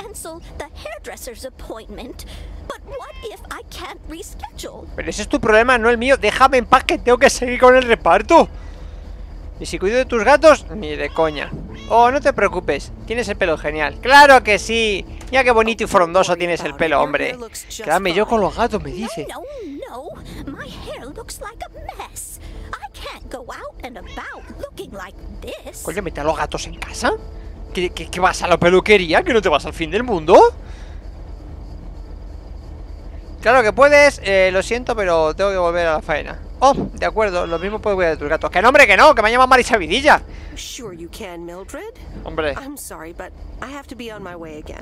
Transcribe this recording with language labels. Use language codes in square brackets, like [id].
[en] Cancel the hairdresser's appointment, but what if I can't reschedule? [es] Pero ese es tu problema, no el mío. Déjame en paz, que tengo que seguir con el reparto. ¿Y si cuido de tus gatos? Ni de coña. Oh, no te preocupes, tienes el pelo genial. ¡Claro que sí! Mira qué bonito y frondoso tienes el pelo, hombre. Quédame yo con los gatos, me dice. [en] No, my hair looks like a mess. I can't go out and about looking like this. [es] Coño, ¿mete a los gatos en casa? ¿Qué vas a la peluquería? ¿Que no te vas al fin del mundo? Claro que puedes, lo siento, pero tengo que volver a la faena. Oh, de acuerdo, lo mismo puedo cuidar de tus gatos. ¡Que no, hombre, que no! ¡Que me ha llamado Marisa Vidilla! [en] Sure you can, Mildred. [es] Hombre. [en] I'm sorry, but I have to be on my way again.